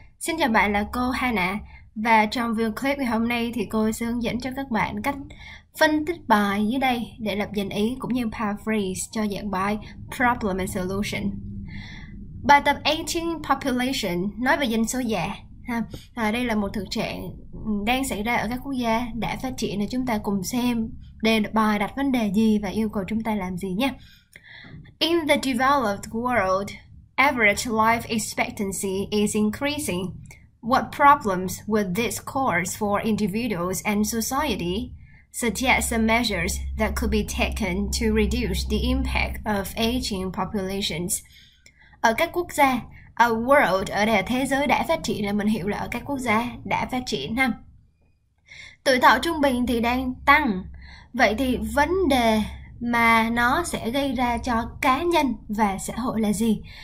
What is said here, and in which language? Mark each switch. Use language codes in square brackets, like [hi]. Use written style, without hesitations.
[vi] Xin chào bạn là cô Hannah. Và trong video clip ngày hôm nay thì cô sẽ hướng dẫn cho các bạn cách phân tích bài dưới đây để lập dành ý cũng như paraphrase cho dạng bài Problem and Solution. Bài tập Aging Population nói về dân số già. Đây là một thực trạng đang xảy ra ở các quốc gia đã phát triển để chúng ta cùng xem đề bài đặt vấn đề gì và yêu cầu chúng ta làm gì nhé. [en] In the developed world, average life expectancy is increasing. What problems will this cause for individuals and society? Suggest some measures that could be taken to reduce the impact of aging populations. [vi] Ở các quốc gia, a world, ở đây là thế giới đã phát triển, là mình hiểu là ở các quốc gia đã phát triển ha. Tuổi thọ trung bình thì đang tăng. Vậy thì vấn đề mà nó sẽ gây ra cho cá nhân và xã hội là gì?